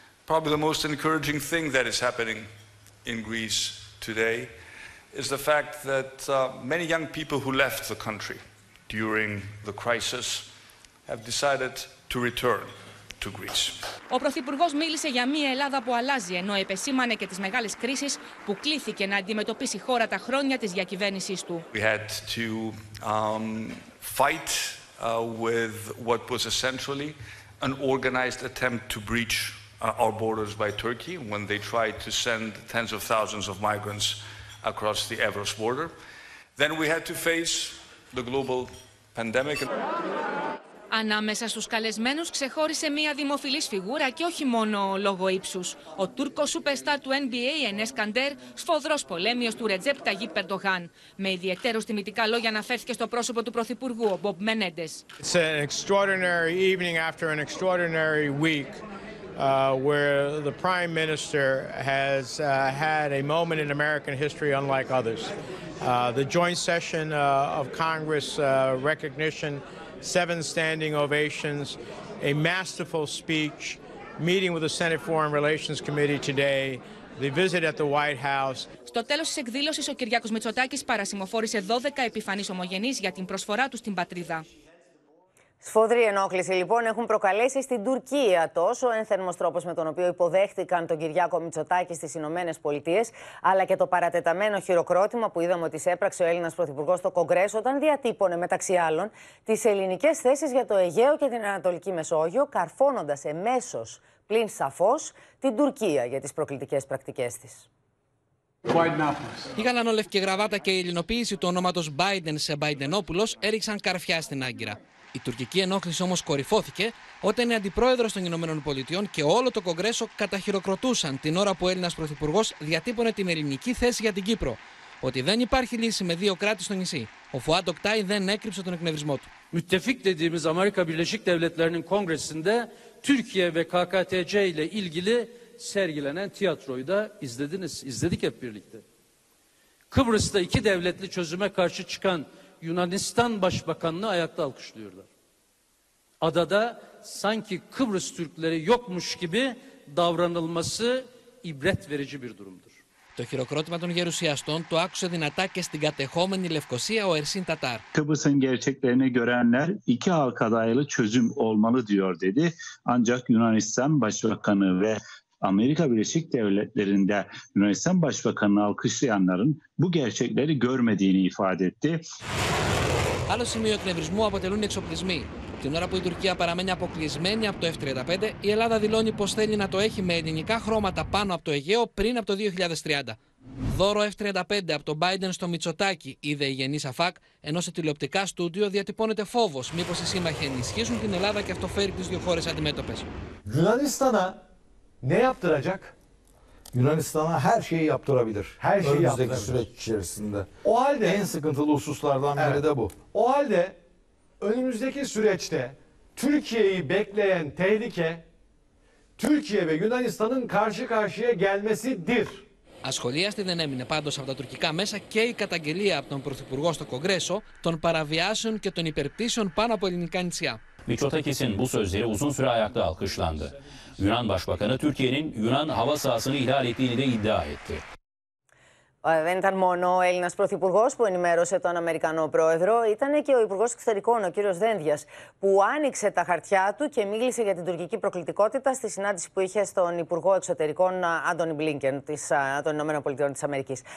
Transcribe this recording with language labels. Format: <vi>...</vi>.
<en>Probably the most encouraging thing that is happening in Greece today is the fact that many young people who left the country during the crisis have decided to return to Greece.</en> <el>Ο Πρωθυπουργός μίλησε για μια Ελλάδα που αλλάζει, ενώ επεσήμανε και τις μεγάλες κρίσεις που κλήθηκε να αντιμετωπίσει η χώρα τα χρόνια της διακυβέρνησής του.</el> <en>We had to fight with what was essentially an organized attempt to breach our borders by Turkey when they tried to send tens of thousands of migrants across the Evros border. Then we had to face the global pandemic.</en> <el>Ανάμεσα στους καλεσμένους ξεχώρισε μία δημοφιλής φιγούρα και όχι μόνο λόγω ύψους. Ο Τούρκος σούπερστάρ του NBA, Ενές Καντέρ, σφοδρός πολέμιος του Ρετζέπ Ταγίπ Ερντογάν. Με ιδιαιτέρως τιμητικά λόγια αναφέρθηκε στο πρόσωπο του Πρωθυπουργού, ο Μπομπ Μενέντες.</el> <en>It's an extraordinary evening after an extraordinary week where the Prime Minister has had a moment in American history unlike others. The joint session of Congress recognition, seven standing ovations, a masterful speech, meeting with the Senate Foreign Relations Committee today, the visit at the White House.</en> <el>Στο τέλος της εκδήλωσης, ο Κυριάκος Μητσοτάκης παρασημοφόρησε 12 επιφανείς ομογενείς για την προσφορά του στην πατρίδα. Σφοδρή ενόχληση λοιπόν έχουν προκαλέσει στην Τουρκία τόσο ο ένθερμος τρόπος με τον οποίο υποδέχτηκαν τον Κυριάκο Μητσοτάκη στις Ηνωμένες Πολιτείες, αλλά και το παρατεταμένο χειροκρότημα που είδαμε ότι έπραξε ο Έλληνας Πρωθυπουργός στο Κογκρέσο όταν διατύπωνε μεταξύ άλλων τις ελληνικές θέσεις για το Αιγαίο και την Ανατολική Μεσόγειο, καρφώνοντας εμέσως πλην σαφώς την Τουρκία για τις προκλητικές πρακτικές της. Πήγαν όλευκη γραβάτα και η ελληνοποίηση του ονόματος Biden σε Bidenόπουλος έριξαν καρφιά στην Άγκυρα. Η τουρκική ενόχληση όμως κορυφώθηκε όταν η αντιπρόεδρος των ΗΠΑ και όλο το Κογκρέσο καταχειροκροτούσαν την ώρα που ο Έλληνας Πρωθυπουργός διατύπωνε την ελληνική θέση για την Κύπρο. Ότι δεν υπάρχει λύση με δύο κράτη στο νησί. Ο Φουάντ Οκτάι δεν έκρυψε τον εκνευρισμό του.</el> <tr>Müttefik dediğimiz Amerika Birleşik Devletleri'nin Kongresi'nde Türkiye ve KKTC ile ilgili sergilenen tiyatroyu da izlediniz. İzledik hep birlikte. Kıbrıs'ta iki devletli çözüme karşı çıkan Yunanistan Başbakanlığı ayakta alkışlıyorlar. Adada sanki Kıbrıs Türkleri yokmuş gibi davranılması ibret verici bir durumdur.</tr> <el>Το χειροκρότημα των γερουσιαστών το άκουσε δυνατά και στην κατεχόμενη Λευκοσία ο Ερσίν Τατάρ.</el> <tr>Kıbrıs'ın gerçeklerini görenler iki halk adaylı çözüm olmalı diyor dedi. Ancak Yunanistan Başbakanı ve Amerika Birleşik Devletleri'nde Yunanistan Başbakanı'nı alkışlayanların bu gerçekleri görmediğini ifade etti.</tr> <el>Άλλο σημείο εκνευρισμού αποτελούν οι εξοπλισμοί. Την ώρα που η Τουρκία παραμένει αποκλεισμένη από το F-35, η Ελλάδα δηλώνει πως θέλει να το έχει με ελληνικά χρώματα πάνω από το Αιγαίο πριν από το 2030. Δώρο F-35 από τον Biden στο Μητσοτάκη, είδε η γενή ΑΦΑΚ, ενώ σε τηλεοπτικά στούντιο διατυπώνεται φόβος μήπως οι σύμμαχοι ενισχύσουν την Ελλάδα και αυτό φέρει τις δύο χώρες αντιμέτωπες.</el> <tr>Ne yaptıracak? Yunanistan'a her şeyi yaptırabilir. Her şeyi önümüzdeki süreç içerisinde. O halde en sıkıntılı hususlardan biri de bu. O halde önümüzdeki süreçte Türkiye'yi bekleyen tehlike Türkiye ve Yunanistan'ın karşı karşıya gelmesidir.</tr> <el>Ασχολίαστη δεν έμεινε πάντως από τα τουρκικά μέσα και η καταγγελία από τον Πρωθυπουργό στο Κογκρέσο των παραβιάσεων και των υπερπτήσεων πάνω από ελληνικά νησιά.</el> <tr>Μητσοτάκης'in bu sözleri uzun süre ayakta alkışlandı. Yunan Başbakanı Türkiye'nin Yunan hava sahasını ihlal ettiğini de iddia etti.</tr> <el>Δεν ήταν μόνο ο Έλληνας Πρωθυπουργός που ενημέρωσε τον Αμερικανό Πρόεδρο, ήταν και ο Υπουργός Εξωτερικών, ο κύριος Δένδιας, που άνοιξε τα χαρτιά του και μίλησε για την τουρκική προκλητικότητα στη συνάντηση που είχε στον Υπουργό Εξωτερικών Άντωνι Μπλίνκεν των Ηνωμένων Πολιτειών της Αμερικής.</el>